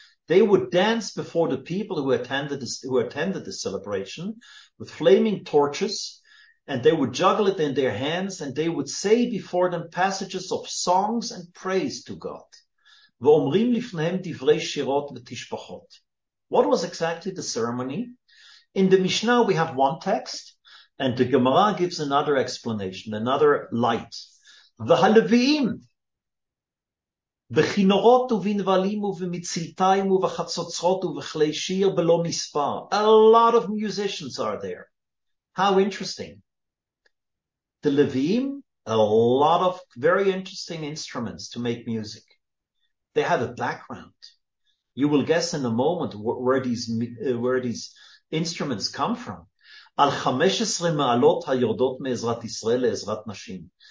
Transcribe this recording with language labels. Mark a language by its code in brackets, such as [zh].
[en] They would dance before the people who attended the celebration with flaming torches, and they would juggle it in their hands, and they would say before them passages of songs and praise to God. Ve'omrim lifnehem divrei shirot v'tishpachot. What was exactly the ceremony? In the Mishnah, we have one text, and the Gemara gives another explanation, another light. [he] V'halevi'im. בחינורות ובנבלים ובמצלתיים ובחצוצרות ובכלי שיר בלא מספר. [en] A lot of musicians are there. How interesting. The Levim, a lot of very interesting instruments to make music. They have a background. You will guess in a moment where these instruments come from. על 15 מעלות היורדות מעזרת ישראל לעזרת נשים.